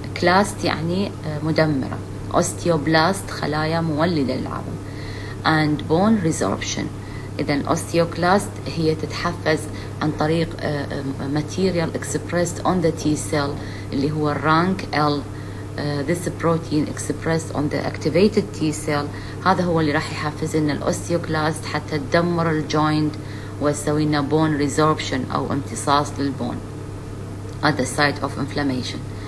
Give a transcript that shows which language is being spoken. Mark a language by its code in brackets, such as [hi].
[ar] Clast يعني مدمرة. Osteoblast خلايا مولدة للعظم. [en] And bone resorption. إذا osteoclast [ar] هي تتحفز عن طريق [en] material expressed on the T cell [ar] اللي هو [en] rank L. This protein expressed on the activated T cell. [ar] هذا هو اللي راح يحفز لنا الاوستيوكلاست حتى تدمر الجوينت ويسوي لنا bone resorption أو امتصاص للبون [en] at the site of inflammation.